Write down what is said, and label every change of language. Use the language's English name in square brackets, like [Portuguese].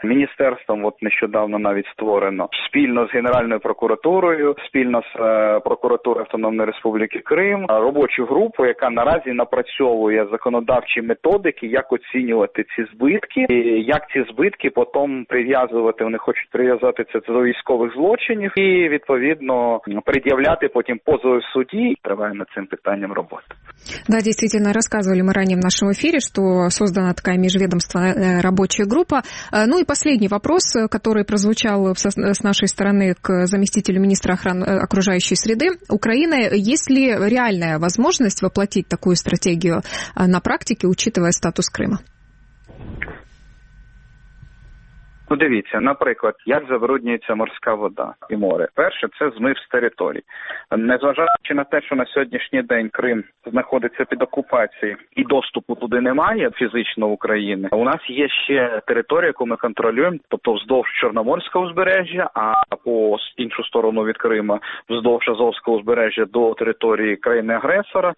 [Ukrainian] Міністерством от нещодавно навіть створено спільно з Генеральною прокуратурою, спільно з прокуратурою Автономної Республіки Крим, робочу групу, яка наразі напрацьовує законодавчі методики, як оцінювати ці збитки, і як ці збитки потім прив'язувати, вони хочуть прив'язати це до військових злочинів, і, відповідно, пред'являти потім по в суді, триває над цим питанням робота. [Russian] Да, действительно, рассказывали мы ранее в нашем эфире, что создана такая межведомственная рабочая группа. Ну и последний вопрос, который прозвучал с нашей стороны к заместителю министра охраны окружающей среды. Украина, есть ли реальная возможность воплотить такую стратегию на практике, учитывая статус Крыма? [Ukrainian] Ну, дивіться, наприклад, як забруднюється морська вода і море. Перше, це змив з територій. Незважаючи на те, що на сьогоднішній день Крим знаходиться під окупацією і доступу туди немає фізично в Україні, у нас є ще територія, яку ми контролюємо, тобто вздовж Чорноморського узбережжя, а по іншу сторону від Крима, вздовж Азовського узбережжя до території країни-агресора.